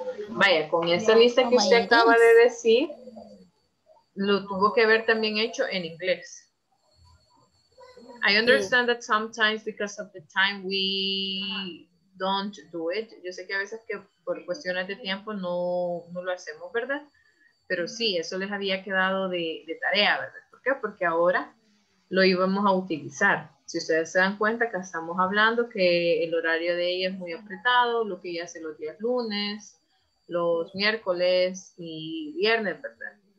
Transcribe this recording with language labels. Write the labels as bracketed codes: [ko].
[es] Vaya, con esa lista que usted acaba de decir, lo tuvo que haber también hecho en inglés. [en] I understand that sometimes because of the time we don't do it. [es] Yo sé que a veces que por cuestiones de tiempo no lo hacemos, ¿verdad? Pero sí, eso les había quedado de tarea, ¿verdad? ¿Por qué? Porque ahora lo íbamos a utilizar. si ustedes se dan cuenta que estamos hablando que el horario de ella es muy apretado, lo que ella hace los días lunes, los miércoles y viernes, ¿verdad?